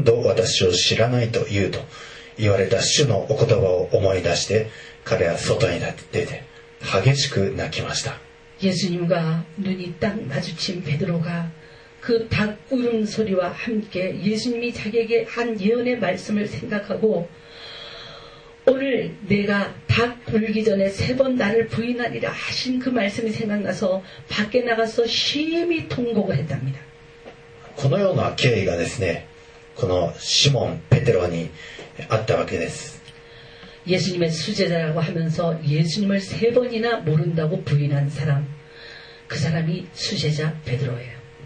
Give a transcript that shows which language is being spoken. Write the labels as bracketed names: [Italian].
[Japanese] 베드로は今日鶏が鳴くまでにあなたは3度私を知らないと言うと 言われた主のお言葉を思い出して彼は外に出て激しく泣きました。 [Korean] 예수님과 눈이 딱 마주친 베드로가 그 닭 울음 소리와 함께 예수님이 자기에게 한 예언의 말씀을 생각하고 오늘 내가 닭 울기 전에 세 번 나를 부인하리라 하신 그 말씀이 생각나서 밖에 나가서 심히 통곡을 했답니다. [Japanese] このような経緯がですね、このシモンペテロに あったわけです。 [Korean] 예수님의 수제자라고 하면서 예수님을 세 번이나 모른다고 부인한 사람, 그 사람이 수제자 베드로예요.